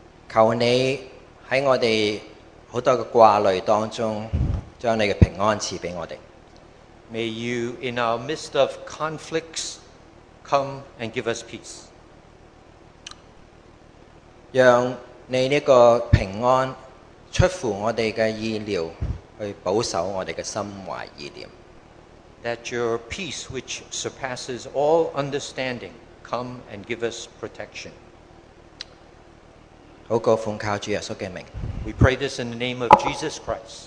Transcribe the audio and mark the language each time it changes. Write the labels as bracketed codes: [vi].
[zh] 求你在我们很多的挂虑当中，将你的平安赐给我们。 [en] May you, in our midst of conflicts,Come and give us peace. [zh] 让你这个平安出乎我们的意料，去保守我们的心怀意念。 [en] That your peace which surpasses all understanding come and give us protection. [zh] 祷告奉靠主耶稣的名。 [en] We pray this in the name of Jesus Christ.